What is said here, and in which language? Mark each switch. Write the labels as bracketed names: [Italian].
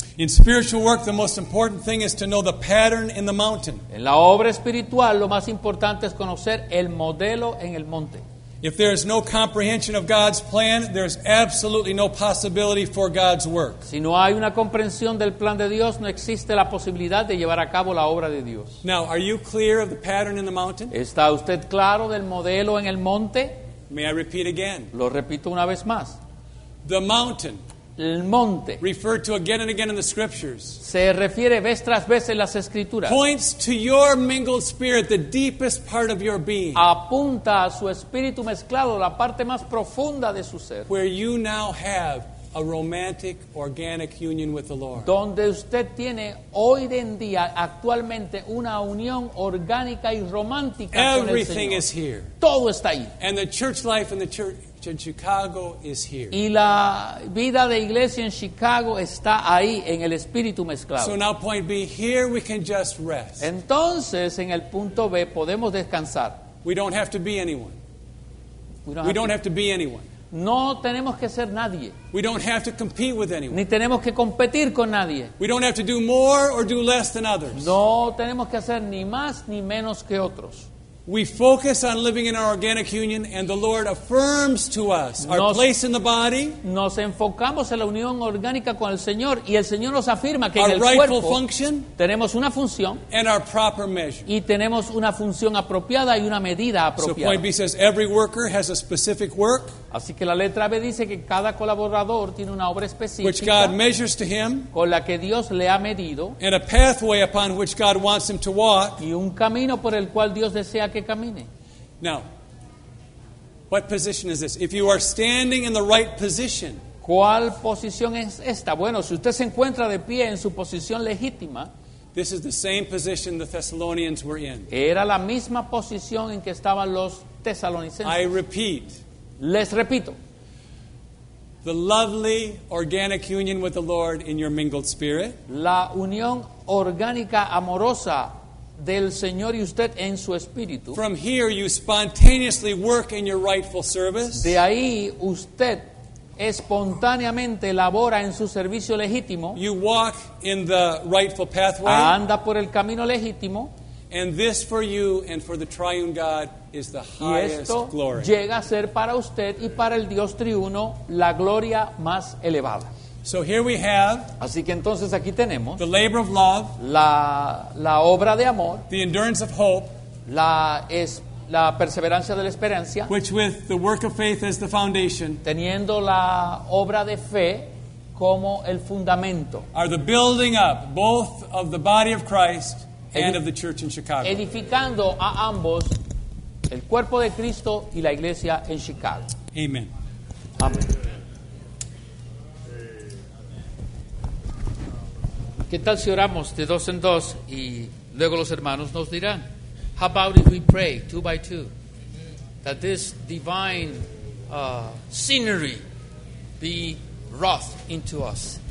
[English] In spiritual work, the most important thing is to know the pattern in the mountain. [Spanish] En la obra espiritual, lo más importante es conocer el modelo en el monte. [English] If there is no comprehension of God's plan, there is absolutely no possibility for God's work. [Spanish] Si no hay una comprensión del plan de Dios, no existe la posibilidad de llevar a cabo la obra de Dios. [English] Now, are you clear of the pattern in the mountain? [Spanish] ¿Está usted claro del modelo en el monte? [English] May I repeat again? [Spanish] Lo repito una vez más. [English] The mountain. [Spanish] El monte. [English] Referred to again and again in the scriptures. [Spanish] Se refiere vez tras vez en las escrituras. [English] Points to your mingled spirit, the deepest part of your being. [Spanish] Apunta a su espíritu mezclado, la parte más profunda de su ser. [English] Where you now have a romantic, organic union with the Lord. [Spanish] Donde usted tiene hoy en día, actualmente, una unión orgánica y romántica con el Señor. [English] Everything is here. [Spanish] Todo está ahí. [English] And the church life and the church in Chicago is here. [Spanish] Y la vida de iglesia en Chicago está ahí en el espíritu mezclado. [English] So now point B, here we can just rest. [Spanish] Entonces en el punto B podemos descansar. [English] We don't have to be anyone. We don't have to be anyone. [Spanish] No tenemos que ser nadie. [English] We don't have to compete with anyone. [Spanish] Ni tenemos que competir con nadie. [English] We don't have to do more or do less than others. [Spanish] No tenemos que hacer ni más ni menos que otros. [English] We focus on living in our organic union, and the Lord affirms to us our place in the body. [Spanish] Nos enfocamos en la unión orgánica con el Señor, y el Señor nos afirma que en el cuerpo [English] rightful function, [Spanish] tenemos una función, [English] and our proper measure. [Spanish] Y tenemos una función apropiada y una medida apropiada. [English] So point B says every worker has a specific work. [Spanish] Así que la letra B dice que cada colaborador tiene una obra específica, [English] which God measures to him, [Spanish] con la que Dios le ha medido, [English] and a pathway upon which God wants him to walk, [Spanish] y un camino por el cual Dios desea que camine. [English] Now, what position is this? If you are standing in the right position, [Spanish] ¿cuál posición es esta? Bueno, si usted se encuentra de pie en su posición legítima, [English] this is the same position the Thessalonians were in. [Spanish] Era la misma posición en que estaban los tesalonicenses. [English] I repeat. [Spanish] Les repito. [English] The lovely organic union with the Lord in your mingled spirit. [Spanish] La unión orgánica amorosa del Señor y usted en su espíritu. [English] From here you spontaneously work in your rightful service. [Spanish] De ahí usted espontáneamente labora en su servicio legítimo. [English] You walk in the rightful pathway. [Spanish] Anda por el camino legítimo. [English] And this for you and for the triune God is the highest glory. [Spanish] Y esto llega a ser para usted y para el Dios triuno la gloria más elevada. [English] So here we have, [Spanish] así que entonces aquí tenemos, [English] the labor of love, [Spanish] la obra de amor, [English] the endurance of hope, [Spanish] la perseverancia de la esperanza, [English] which with the work of faith as the foundation, [Spanish] teniendo la obra de fe como el fundamento, [English] are the building up both of the body of Christ and of the church in Chicago. [Spanish] Edificando a ambos, el cuerpo de Cristo y la iglesia en Chicago. [English] Amen. [Spanish] Amen. ¿Qué tal si oramos de dos en dos y luego los hermanos nos dirán? [English] How about if we pray two by two? That this divine scenery be wrought into us.